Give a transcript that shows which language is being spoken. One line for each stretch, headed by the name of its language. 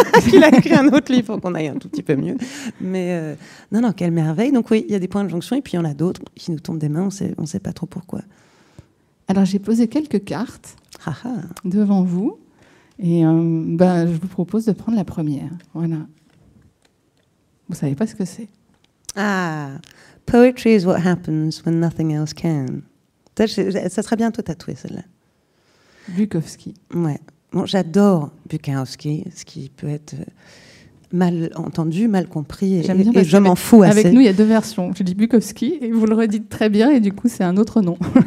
French: qu'il a écrit un autre livre pour qu'on aille un tout petit peu mieux. Mais non, quelle merveille. Donc oui, il y a des points de jonction et puis il y en a d'autres qui nous tombent des mains. On sait pas trop pourquoi. Alors j'ai posé quelques cartes devant vous et je vous propose de prendre la première. Voilà. Vous savez pas ce que c'est.
English: Ah, poetry is what happens when nothing else can.
French: Ça serait bien tout tatoué, celle-là. Bukowski. Ouais. Bon, j'adore Bukowski, ce qui peut être mal entendu, mal compris, et je m'en fous assez. Avec nous, il y a deux versions. Je dis Bukowski, et vous le redites très bien, et du coup, c'est un autre nom.